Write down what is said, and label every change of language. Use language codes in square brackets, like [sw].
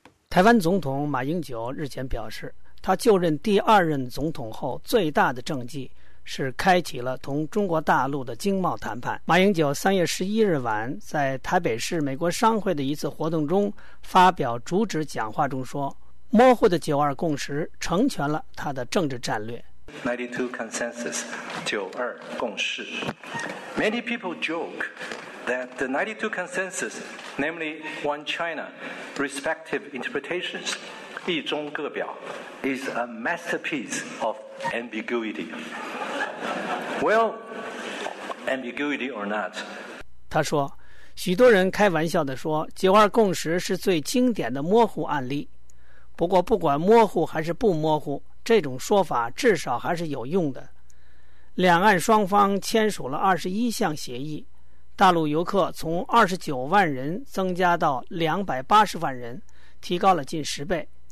[zh] 台湾总统马英九日前表示，他就任第二任总统后最大的政绩是开启了同中国大陆的经贸谈判。马英九3月11日晚在台北市美国商会的一次活动中发表主旨讲话中说，模糊的九二共识成全了他的政治战略。 [en] 92 consensus, 九二共识。 Many people joke that the 92 consensus, namely one China, respective interpretations, [zh] 一中各表, [en] is a masterpiece of ambiguity. Well, ambiguity or not. [zh] 他说，许多人开玩笑地说，九二共识是最经典的模糊案例。不过不管模糊还是不模糊，这种说法至少还是有用的。两岸双方签署了21项协议，大陆游客从29万人增加到280万人，提高了近10倍。